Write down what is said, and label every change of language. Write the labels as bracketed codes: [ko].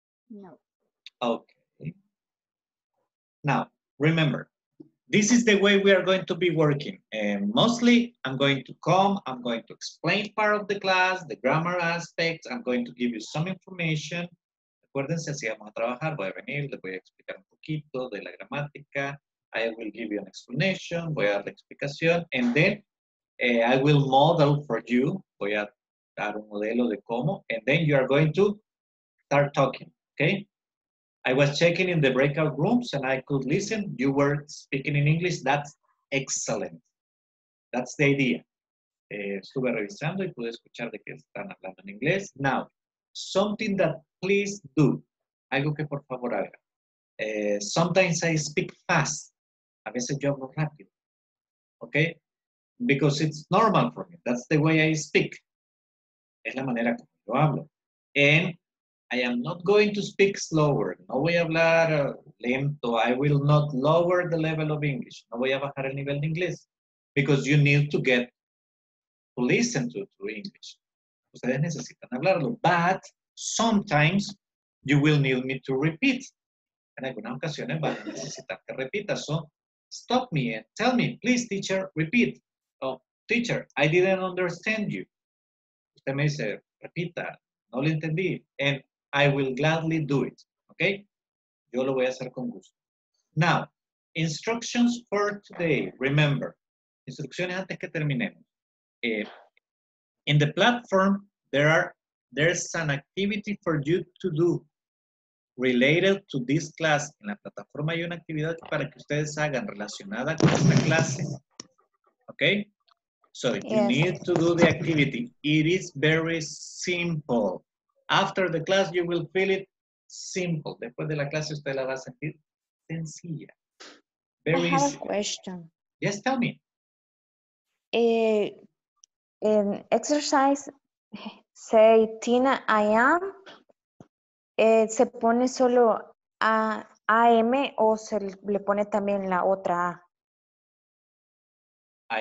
[en] No. Okay. Now, remember, this is the way we are going to be working. And mostly, I'm going to come, I'm going to explain part of the class, the grammar aspects, I'm going to give you some information. [es] Acuérdense, así vamos a trabajar. Voy a venir, les voy a explicar un poquito de la gramática. [en] I will give you an explanation, [es] voy a dar la explicación. [en] And then, I will model for you. [es] Voy a dar un modelo de cómo. [en] And then you are going to start talking, okay? I was checking in the breakout rooms and I could listen. You were speaking in English. That's excellent. That's the idea. [es] Estuve revisando y pude escuchar de qué están hablando en inglés. [en] Now, something that please do. [es] Algo que por favor haga. [en] Sometimes I speak fast. [es] A veces yo hablo rápido. [en] Okay? Because it's normal for me. That's the way I speak. [es] Es la manera como yo hablo. [en] And I am not going to speak slower. [es] No voy a hablar lento. [en] I will not lower the level of English. [es] No voy a bajar el nivel de inglés. [en] Because you need to get to listen to English. [es] Ustedes necesitan hablarlo. [en] But sometimes you will need me to repeat. [es] En algunas ocasiones van a necesitar que repita. [en] So stop me and tell me, please, teacher, repeat. Oh, teacher, I didn't understand you. [es] Usted me dice, repita. No lo entendí. [en] And I will gladly do it, okay? Yo lo voy a hacer con gusto. Now, instructions for today, remember. [es] Instrucciones antes que terminemos. [en] In the platform, there's an activity for you to do related to this class. [es] En la plataforma hay una actividad para que ustedes hagan relacionada con esta clase, okay? [en] So, yes. You need to do the activity. It is very simple. After the class, you will feel it simple. [es] Después de la clase, usted la va a sentir sencilla. [en] Very easy. I have a question. Yes, tell me. In exercise, say, Tina, I am. [es] ¿Se pone solo a AM o se le pone también la otra A?